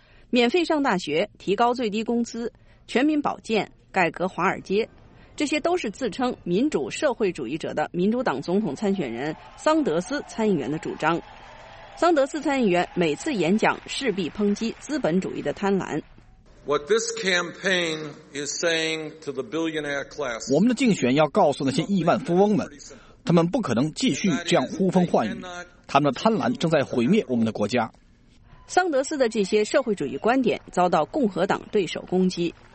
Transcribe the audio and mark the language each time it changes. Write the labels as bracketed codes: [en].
[zh] 免费上大学，提高最低工资，全民保健，改革华尔街，这些都是自称民主社会主义者的民主党总统参选人桑德斯参议员的主张。桑德斯参议员每次演讲势必抨击资本主义的贪婪。 [en] What this campaign is saying to the billionaire class, [zh] 我们的竞选要告诉那些亿万富翁们，他们不可能继续这样呼风唤雨，他们的贪婪正在毁灭我们的国家。桑德斯的这些社会主义观点遭到共和党对手攻击。